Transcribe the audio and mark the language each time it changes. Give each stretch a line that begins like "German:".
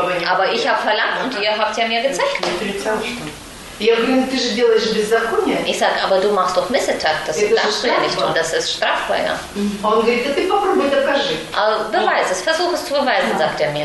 German: Aber ich habe verlangt und ihr habt ja mir gezeigt.
Russian: Я говорю, ну ты же делаешь беззаконие.
German: Ich sag, aber du machst doch Missetat, das darfst du ja nicht tun, das ist strafbar, ja.
Russian: Он говорит, да ты попробуй докажи. Давай,
German: das versuch es zu beweisen, sagt er mir.